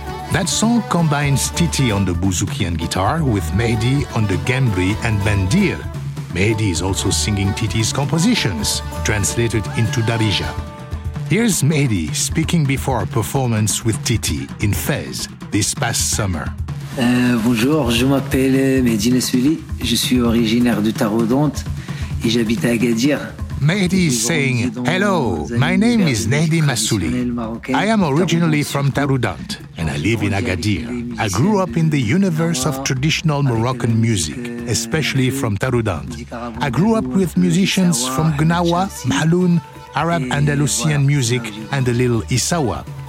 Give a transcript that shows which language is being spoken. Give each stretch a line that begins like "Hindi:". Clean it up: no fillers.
English: That song combines Titi on the bouzouki and guitar with Mehdi on the gembri and bandir. Mehdi is also singing Titi's compositions, translated into Darija. Here's Mehdi speaking before a performance with Titi in Fez this past summer.
French: Bonjour, je m'appelle Mehdi Nasuli. Je suis originaire de Tarodonte et j'habite à Agadir.
English: Mehdi is saying, hello, my name is Mehdi Nasuli. I am originally from Tarudant and I live in Agadir. I grew up in the universe of traditional Moroccan music, especially from Tarudant. I grew up with musicians from Gnawa, Mahloun, Arab Andalusian music, and a little Issawa.